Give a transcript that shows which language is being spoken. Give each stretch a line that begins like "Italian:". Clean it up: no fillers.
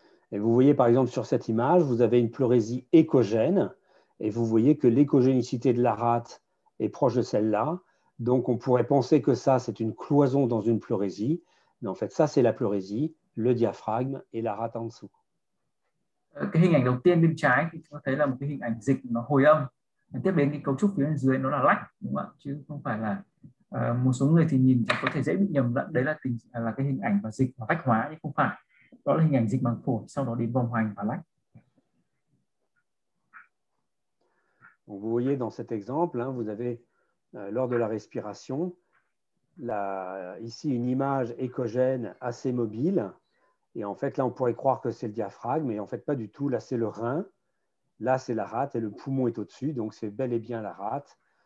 French: Et vous voyez par exemple sur cette image, vous avez une pleurésie échogène et vous voyez que l'échogénicité de la rate est proche de celle-là. Donc, on pourrait penser que ça, c'est une cloison dans une pleurésie. Mais en fait, ça, c'est la pleurésie, le diaphragme et la rate en dessous.
Vietnamese: Cái hình ảnh đầu tiên bên trái, thì chúng ta thấy là một cái hình ảnh dịch nó hồi âm. Tiếp đến cái cấu trúc phía dưới nó là lách, đúng không ạ? Chứ không phải là một số người thì nhìn thì có thể dễ bị nhầm lẫn. Đấy là cái hình ảnh và dịch và vách hóa, nhưng không phải. Đó là hình ảnh dịch màng phổi, sau đó đến vòng hoành và lách.
French: Donc, vous voyez dans cet exemple, hein, vous avez lors de la respiration, ici une image échogène assez mobile. Et en fait, là, on pourrait croire que c'est le diaphragme, mais en fait, pas du tout. Là, c'est le rein. Là, c'est la rate et le poumon est au-dessus. Donc, c'est bel et bien la rate.